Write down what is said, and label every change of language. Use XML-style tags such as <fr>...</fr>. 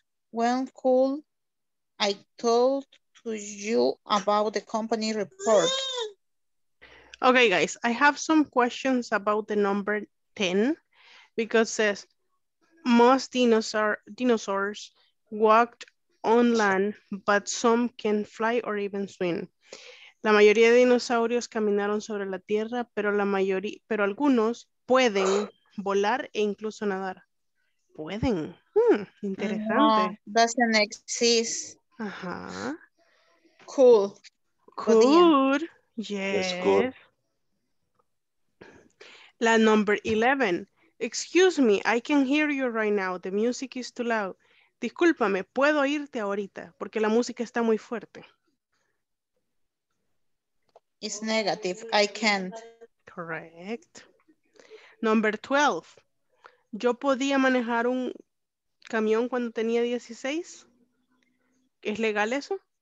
<en>When could I talk to you about the company report? Okay, guys, I have some questions about the number 10. Because it says, most dinosaurs walked on land, but some can fly or even swim.</en> <es>La mayoría de dinosaurios caminaron sobre la tierra, pero la mayoría, pero algunos pueden volar e incluso nadar. Pueden. Interesante. No,</es> <en>doesn't exist. Ajá. Cool. Cool. Good. Yes. Good. La number 11. Excuse me, I can hear you right now. The music is too loud.</en> <es>Discúlpame, puedo oírte ahorita porque la música está muy fuerte.</es> <en>It's negative. I can't. Correct. Number 12.</en> <es>¿Yo podía manejar un camión cuando tenía 16? ¿Es legal eso?</es>